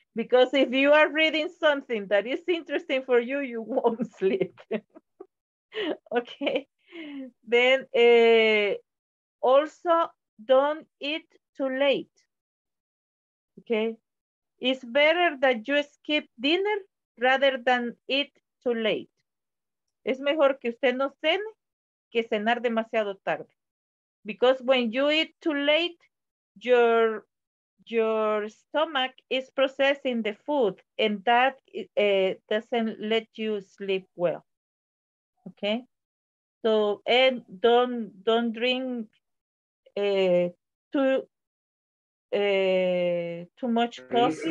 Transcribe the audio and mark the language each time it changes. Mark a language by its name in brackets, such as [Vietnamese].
[English] Because if you are reading something that is interesting for you, you won't sleep, okay? Then also don't eat too late, okay? It's better that you skip dinner rather than eat too late. [Spanish] Es mejor que usted no cene que cenar demasiado tarde. [English] Because when you eat too late, your stomach is processing the food and that doesn't let you sleep well, okay? So, and don't drink too much coffee.